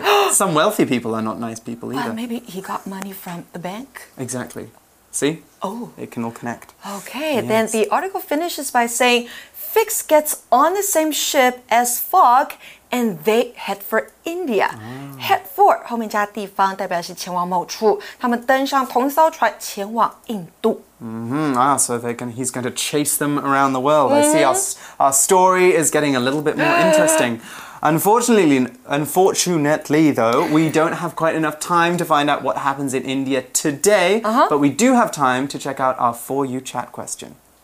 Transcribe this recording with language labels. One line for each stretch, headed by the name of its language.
English: Some wealthy people are not nice people, either. Well, maybe he got money from the bank? Exactly. See? Oh. It can all connect. Okay, yes. Then the article finishes by saying, Fix gets on the same ship as Fogg,And they head for India.
Chinese: Head for 后面加地方代表是前往某处。他们登上同一艘船前往印度。
English: So he's going to chase them around the world. I see our story is getting a little bit more interesting. Unfortunately, though, we don't have quite enough time to find out what happens in India today. But we do have time to check out our For You chat question.